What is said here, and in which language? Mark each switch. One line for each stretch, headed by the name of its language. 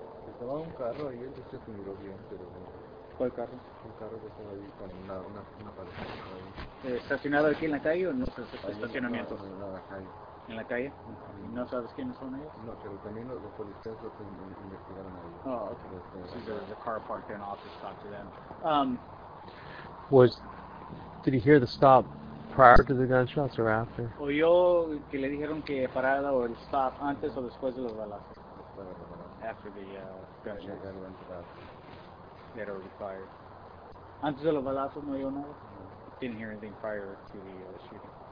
Spanish: Estaba un carro ahí, el coche se miró bien, pero... ¿Cuál carro? Un carro que estaba ahí con una pareja ahí. ¿Estacionado aquí en la calle o en los estacionamientos? En la calle. ¿En la calle? Uh-huh. ¿No sabes quiénes son ellos? No, pero también los policías lo investigaron ahí. Oh, okay.
English: So the car parked there and officers talked to them. Did he hear the stop? Prior to the gunshots or after?
Spanish: Oyó que le dijeron que parada o el stop antes o después de los balazos.
English: After the gunshots. That already fired.
Spanish: Antes de los balazos no oyó nada.
English: Didn't hear anything prior to the shooting.